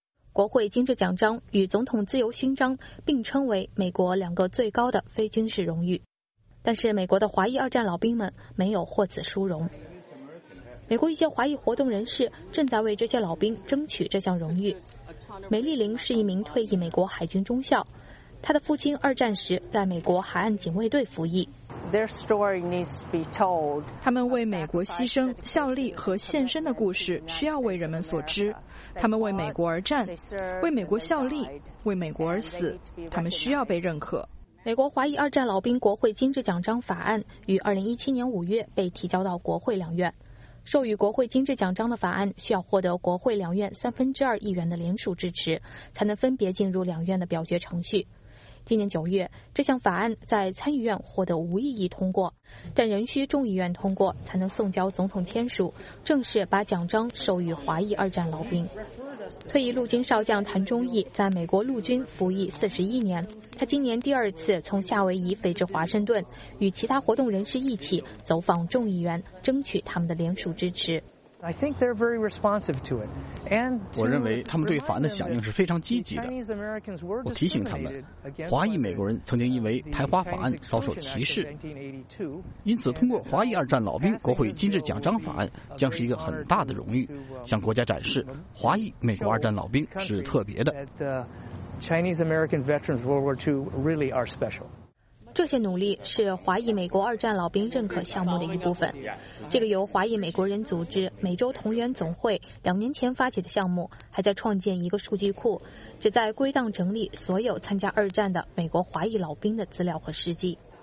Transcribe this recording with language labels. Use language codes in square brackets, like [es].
[zh] 国会金质奖章与总统自由勋章并称为美国两个最高的非军事荣誉，但是美国的华裔二战老兵们没有获此殊荣。美国一些华裔活动人士正在为这些老兵争取这项荣誉。梅丽玲是一名退役美国海军中校，她的父亲二战时在美国海岸警卫队服役。 [en] Their story needs to be told. [zh] 他们为美国牺牲、效力和献身的故事需要为人们所知。他们为美国而战，为美国效力，为美国而死，他们需要被认可。美国华裔二战老兵国会金质奖章法案于2017年5月被提交到国会两院。授予国会金质奖章的法案需要获得国会两院2/3议员的联署支持，才能分别进入两院的表决程序。今年9月，这项法案在参议院获得无异议通过，但仍需众议院通过才能送交总统签署，正式把奖章授予华裔二战老兵。退役陆军少将谭忠义在美国陆军服役41年，他今年第二次从夏威夷飞至华盛顿，与其他活动人士一起走访众议员，争取他们的联署支持。 [en] I think they're very responsive to it. And [zh] 我认为他们对法案的响应是非常积极的。我提醒他们，华裔美国人曾经因为排华法案遭受歧视，因此通过华裔二战老兵国会金质奖章法案将是一个很大的荣誉，向国家展示华裔美国二战老兵是特别的。 [en] Chinese American veterans World War II really are special. [zh] 这些努力是华裔美国二战老兵认可项目的一部分。这个由华裔美国人组织美洲同源总会2年前发起的项目，还在创建一个数据库，旨在归档整理所有参加二战的美国华裔老兵的资料和事迹。